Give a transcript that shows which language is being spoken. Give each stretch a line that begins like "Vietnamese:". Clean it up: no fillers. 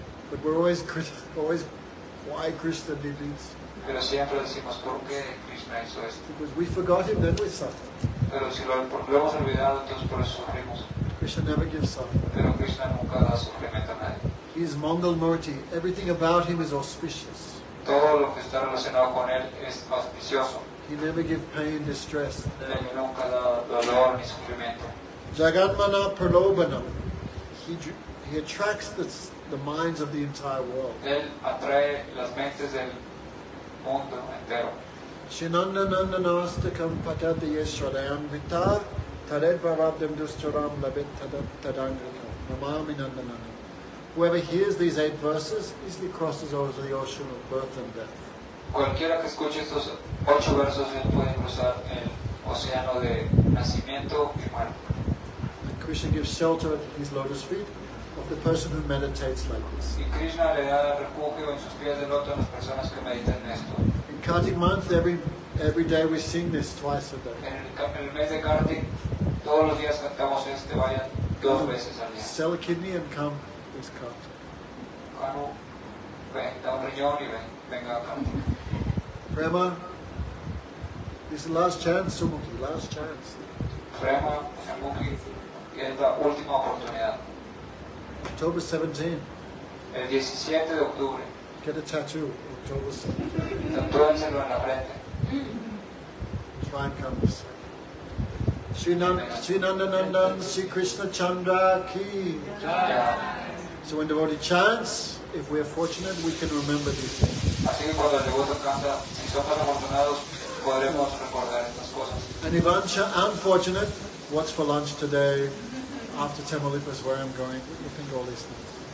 English: but we're always, why Krishna did this?
Spanish: Pero siempre decimos, ¿por qué Krishna hizo esto?
English: Because we forgot him, then we suffer.
Spanish: Pero si lo hemos olvidado, entonces por eso sufrimos.
English: Krishna never gives suffering.
Spanish: Pero Krishna nunca da sufrimiento a nadie.
English: He is Mangalmurti. Everything about him is auspicious.
Spanish: Todo lo que está relacionado con él es auspicioso.
English: He never gives pain, distress.
Spanish: Él nunca da dolor ni sufrimiento.
Sanskrit: Jagatmana Prolobanam.
English: He attracts the minds of the entire world.
Spanish: Él atrae las mentes del mundo entero.
Sanskrit: Shinanda Nandana Astakam Patati Yeshradayam Vita Tarebhavabdam Dusturam Labit Tadangrikam Namami Nandana.
English: Whoever hears these eight verses easily crosses over the ocean of birth and death.
Spanish: Cualquiera que escuche estos ocho versos él puede cruzar el océano de nacimiento y muerte.
English: And Krishna gives shelter at his lotus feet of the person who meditates like this.
Spanish: Y Krishna le da refugio en sus pies de loto a las personas que meditan esto.
English: In Kartik month, every day we sing this twice a day.
Spanish: En el mes de Kartik, todos los días cantamos este vaya dos veces al día.
English: Sell a kidney and come this Kartik.
Spanish: Ven, da un riñón y venga a Kartik.
English: Prema, this is the last chance, Sumukhi, last chance.
Spanish: Prema, Sumukhi, es la última oportunidad.
English: October 17.
Spanish: El 17 de octubre.
English: Get a tattoo, October 17.
Spanish: Tatúenselo en la frente.
English: Try and come this way. Srinandanandan, Sri Krishna Chandra Ki. So when devotee chants, if we are fortunate, we can remember these things.
Spanish: Así que cuando el devoto canta, si somos afortunados, podremos recordar estas cosas.
English: And if unfortunate, what's for lunch today? After Tamaulipas, where I'm going, you think all these things.